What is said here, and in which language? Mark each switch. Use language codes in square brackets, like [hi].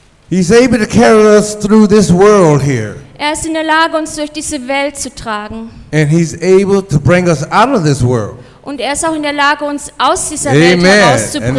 [en] He's able to carry us through this world here. [de] Er ist in der Lage, uns durch diese Welt zu tragen. [en] And he's able to bring us out of this world. [de] Und er ist auch in der Lage, uns aus dieser Welt herauszubringen.